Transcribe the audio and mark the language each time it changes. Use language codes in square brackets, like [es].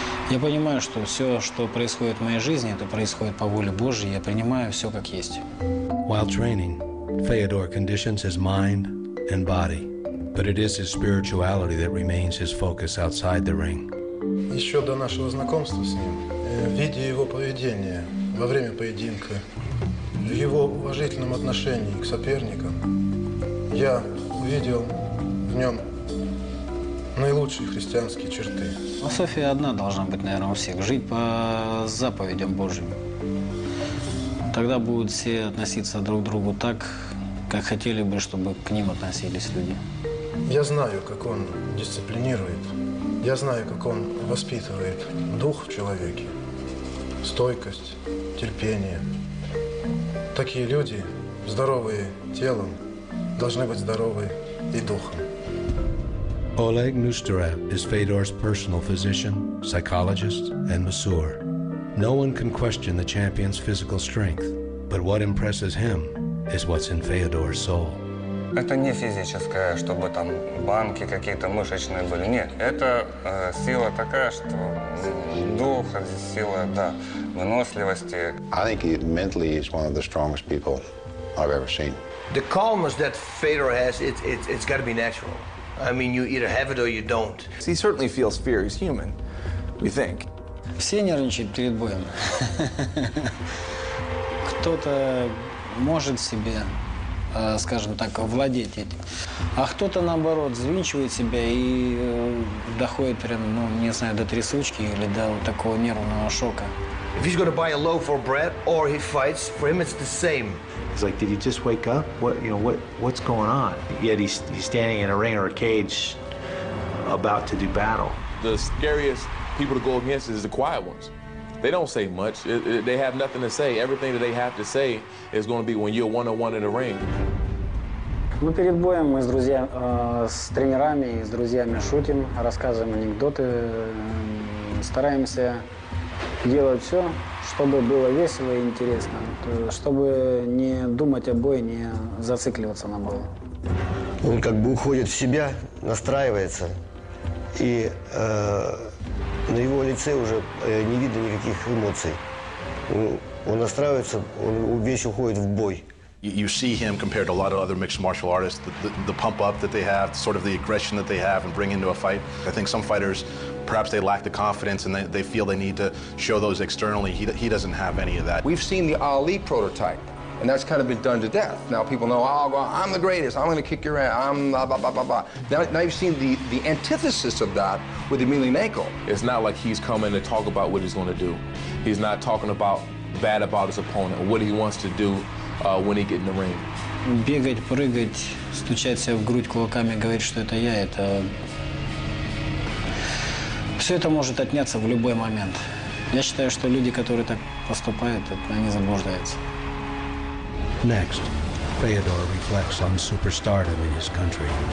[ru] Я понимаю, что все, что происходит в моей жизни, это происходит по воле Божьей. Я принимаю все, как есть. [en] While training, Fedor conditions his mind and body. But it is his spirituality that remains his focus outside the ring. [ru] Еще до нашего знакомства с ним, видя его поведение во время поединка, в его уважительном отношении к соперникам, я увидел в нем наилучшие христианские черты. Философия одна должна быть, наверное, у всех. Жить по заповедям Божьим. Тогда будут все относиться друг к другу так, как хотели бы, чтобы к ним относились люди. Я знаю, как он дисциплинирует. Я знаю, как он воспитывает дух в человеке. Стойкость, терпение. Такие люди, здоровые телом, должны быть здоровы и духом. [en] Oleg Nusterev is Fedor's personal physician, psychologist, and masseur. No one can question the champion's physical strength, but what impresses him is what's in Fedor's soul. [ru] Это не физическое, чтобы там банки какие-то мышечные были. Нет, это сила такая, что дух, сила, да, выносливости. [en] I think he mentally is one of the strongest people I've ever seen. The calmness that Fedor has, it's got to be natural. I mean, you either have it or you don't. He certainly feels fear. He's human, we think. [ru] Все нервничают перед боем. Кто-то может себе, скажем так, владеть этим. А кто-то, наоборот, взвинчивает себя и доходит прям, ну, не знаю, до трясучки или до вот такого нервного шока. [en] If he's going to buy a loaf or bread or he fights, for him it's the same. He's like, did he just wake up? What, you know, what's going on? Yet he's standing in a ring or a cage about to do battle. The scariest people to go against is the quiet ones. They don't say much. They have nothing to say. Everything that they have to say is going to be when you're one-on-one in the ring. [ru] Ну, перед боем мы с друзьями, с тренерами и с друзьями шутим, рассказываем анекдоты, стараемся делать все, чтобы было весело и интересно, чтобы не думать о бою, не зацикливаться на бою. Он как бы уходит в себя, настраивается, и на его лице уже не видно никаких эмоций. Он настраивается, он весь уходит в бой. [en] You see him compared to a lot of other mixed martial artists, the pump up that they have, sort of the aggression that they have and bring into a fight. I think some fighters, perhaps they lack the confidence and they feel they need to show those externally. He doesn't have any of that. We've seen the Ali prototype, and that's kind of been done to death. Now people know, oh, well, I'm the greatest, I'm gonna kick your ass, I'm blah, blah, blah, blah, blah. Now you've seen the antithesis of that with Emelianenko. It's not like he's coming to talk about what he's gonna do. He's not talking about bad about his opponent, what he wants to do. When he get in the ring. [ru] Бегать, прыгать, стучать себе в грудь кулаками, говорить, что это я, это... Все это может отняться в любой момент. Я считаю, что люди, которые так поступают, они заблуждаются. [en] Next, Fedor reflects on superstardom in his country.